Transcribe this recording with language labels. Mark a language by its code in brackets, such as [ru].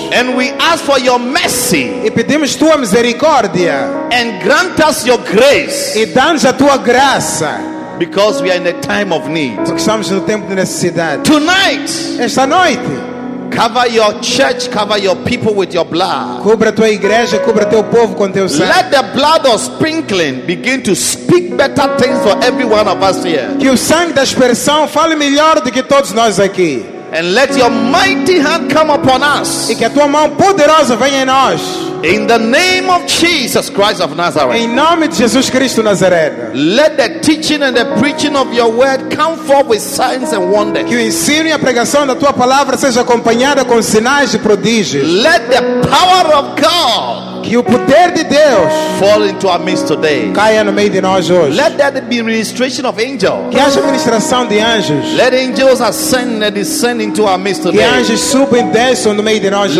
[en] And we ask for your mercy. [pt] E pedimos tua misericórdia. [en] And grant us your grace. [pt] E dá-nos a tua graça. [en] Because we are in a time of need. [pt] Porque estamos no tempo de necessidade. [en] Tonight. [pt] Esta noite. [en] Cover your church, cover your people with your blood. [pt] Cubra tua igreja, cubra teu povo com teu sangue. [en] Let the blood of sprinkling begin to speak better things for every one of us here. [pt] Que o sangue da expressão fale melhor do que todos nós aqui. [en] And let your mighty hand come upon us. [pt] E que a tua mão poderosa venha em nós. [en] In the name of Jesus Christ of Nazareth. [pt] Em nome de Jesus Cristo Nazaré. [en] Let the teaching and the preaching of your word come forth with signs and wonders. [pt] Que o ensino e a pregação da tua palavra seja acompanhada com sinais e prodígios. [en] Let the power of God. [pt] Que o poder de Deus [en] fall into our midst today. [pt] Caia no meio de nós hoje. [en] Let there be ministration of angels. [pt] Que haja ministração de anjos. [en] Let angels ascend and descend into our midst today. [pt] Que anjos subam e desçam no meio de nós hoje.